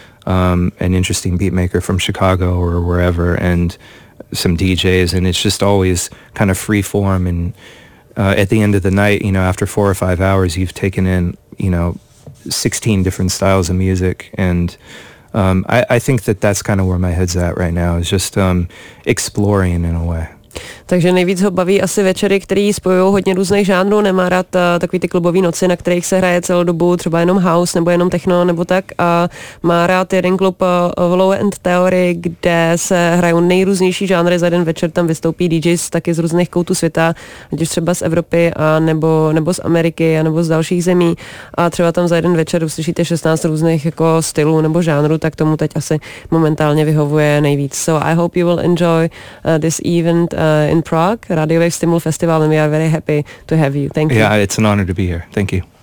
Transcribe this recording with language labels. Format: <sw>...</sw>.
<en>an interesting beat maker from Chicago or wherever, and some DJs, and it's just always kind of free form. And at the end of the night, you know, after 4 or 5 hours, you've taken in, you know, 16 different styles of music. And I think that that's kind of where my head's at right now, is just exploring in a way.</en> <cs>Takže nejvíc ho baví asi večery, které spojují hodně různých žánrů. Nemá rád takový ty klubové noci, na kterých se hraje celou dobu třeba jenom house nebo jenom techno nebo tak. A má rád jeden klub v Low End Theory, kde se hrají nejrůznější žánry. Za jeden večer tam vystoupí DJs taky z různých koutů světa, ať už třeba z Evropy a nebo z Ameriky a nebo z dalších zemí. A třeba tam za jeden večer uslyšíte 16 různých jako stylů nebo žánrů, tak tomu teď asi momentálně vyhovuje nejvíc.</cs> <en>So I hope you will enjoy this event in Prague, Radio Wave Stimul Festival, and we are very happy to have you. Thank you. Yeah, it's an honor to be here. Thank you.</en>